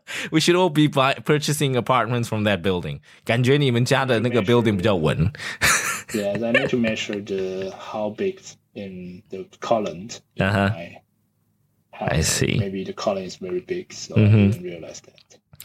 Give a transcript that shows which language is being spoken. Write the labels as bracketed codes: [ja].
[en] We should all be purchasing apartments from that building. [zh] 感觉你们家的那个 building 比较稳。 [en] Yes, I need to measure how big in the column. Uh-huh. I see. Maybe the column is very big, so mm-hmm. I didn't realize that.